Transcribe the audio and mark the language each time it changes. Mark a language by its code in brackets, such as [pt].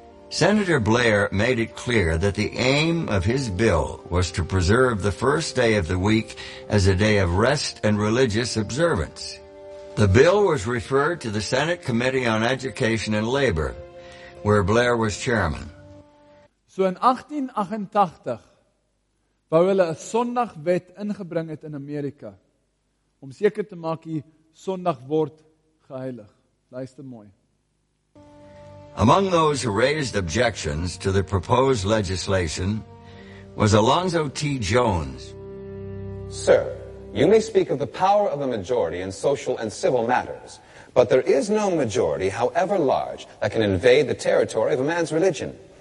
[en] Senator Blair made it clear that the aim of his bill was to preserve the first day of the week as a day of rest and religious observance. The bill was referred to the Senate Committee on Education and Labor, where Blair was chairman. [af] So in 1888 wou hulle 'n Sondagwet ingebring het in Amerika om seker te maak die Sondag word geheilig. Luister mooi. [en] Among those who raised objections to the proposed legislation was Alonzo T. Jones. Sir, you may speak of the power of a majority in social and civil matters, but there is no majority, however large, that can invade the territory of a man's religion.